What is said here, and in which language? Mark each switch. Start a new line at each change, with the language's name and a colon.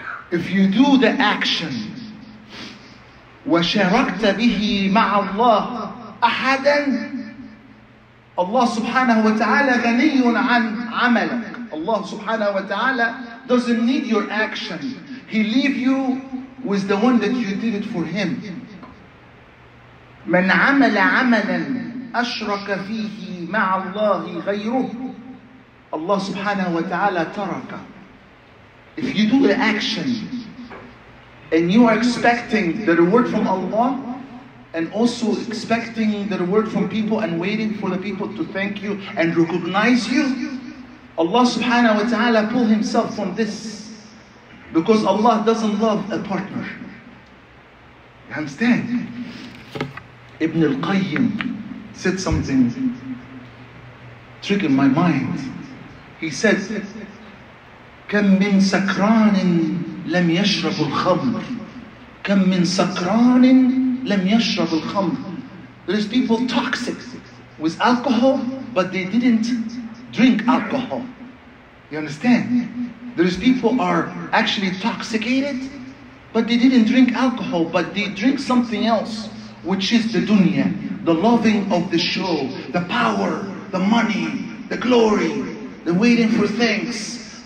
English: If you do the action
Arabic: وشاركت به مع الله أحدا,
English: Allah subhanahu wa ta'ala
Arabic: غني عن عملك.
English: Allah subhanahu wa ta'ala doesn't need your action. He leave you with the one that you did it for him.
Arabic: من عمل عملا أشرك فيه مع الله غيره,
English: Allah subhanahu wa ta'ala
Arabic: ترك.
English: If you do the action and you are expecting the reward from Allah, and also expecting the reward from people and waiting for the people to thank you and recognize you, Allah subhanahu wa ta'ala pull himself from this. Because Allah doesn't love a partner. You understand? Ibn al-Qayyim said something triggered my mind. He said,
Arabic: كم من سكران لم يشرب الخمر كم من سكران لم يشرب الخمر.
English: There's people toxic with alcohol, but they didn't drink alcohol. You understand? There's people are actually intoxicated, but they didn't drink alcohol, but they drink something else, which is the dunya, the loving of the show, the power, the money, the glory, the waiting for things.